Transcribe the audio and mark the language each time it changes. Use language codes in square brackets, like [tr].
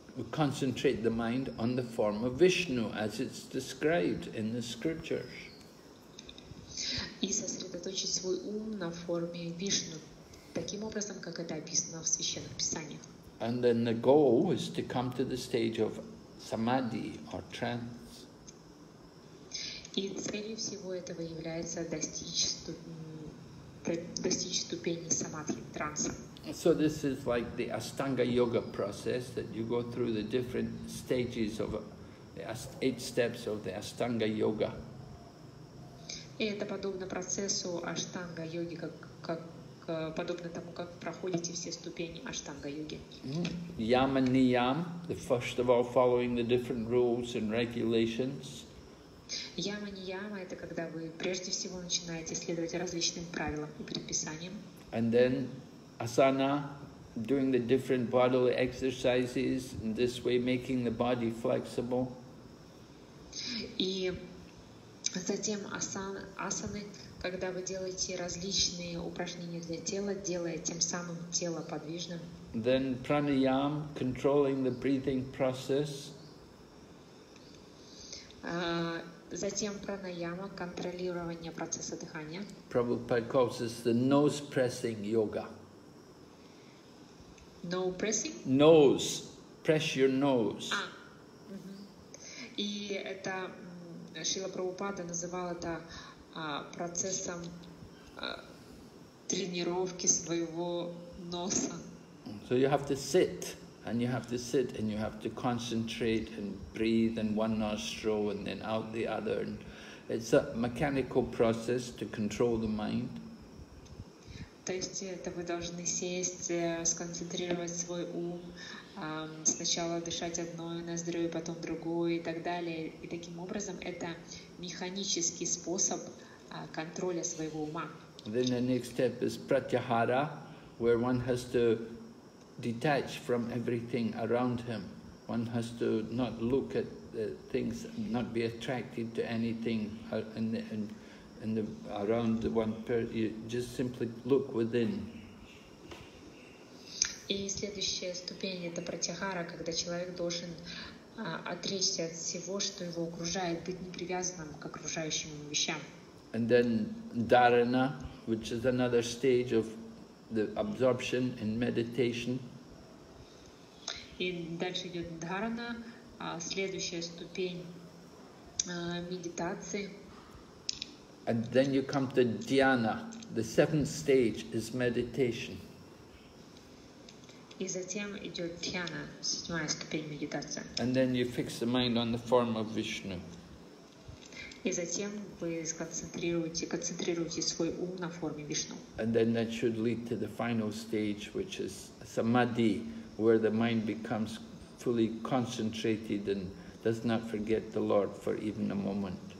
[en] concentrate the mind on the form of Vishnu, as it's described in the scriptures. [ru] И сосредоточить свой ум на форме Вишну, таким образом, как это описано в Священном Писании. [en] And then the goal is to come to the stage of samadhi or trance. [ru] И целью всего этого является достичь ступени самадхи, транса. [en] So this is like the Ashtanga Yoga process, that you go through the different stages of the 8 steps of the Ashtanga Yoga. [ru] И это подобно процессу Аштанга йоги, как подобно тому, как проходите все ступени Аштанга йоги. [en] Yam and Niyam, the first of all, following the different rules and regulations. [ru] Yam and Niyam — это когда вы прежде всего начинаете следовать различным правилам и предписаниям. [en] And then Asana, doing the different bodily exercises, and this way making the body flexible. [ru] И затем асаны, когда вы делаете различные упражнения для тела, делая тем самым тело подвижным. [en] Then pranayam, controlling the breathing process. [ru] Затем пранаяма, контролирование процесса дыхания. [en] Prabhupada calls this the nose pressing yoga. No pressing? Nose. Press your nose. [ru] И это Шрила Прабхупада называл это процессом тренировки своего носа. [en] So you have to sit, and you have to sit, and you have to concentrate and breathe in one nostril and then out the other. And it's a mechanical process to control the mind. [ru] То есть это вы должны сесть, сконцентрировать свой ум, сначала дышать одной ноздрёй, потом другой и так далее. И таким образом это механический способ контроля своего ума. [en] Then the next step is pratyahara, where one has to detach from everything around him. One has to not look at the things, not be attracted to anything in the around the one person. You just simply look within. [ru] И следующая ступень — это пратихара, когда человек должен отречься от всего, что его окружает, быть непривязанным к окружающим вещам. [en] And then dharana, which is another stage of the absorption in meditation. [ru] И дальше идет дхарана, следующая ступень медитации. [en] And then you come to dhyana. The 7th stage is meditation. [ru] И затем идет дхьяна, седьмая ступень медитации. [en] And then you fix the mind on the form of Vishnu. [ru] И затем вы концентрируете свой ум на форме Вишну. [en] And then that should lead to the final stage, which is samadhi, where the mind becomes fully concentrated and does not forget the Lord for even a moment.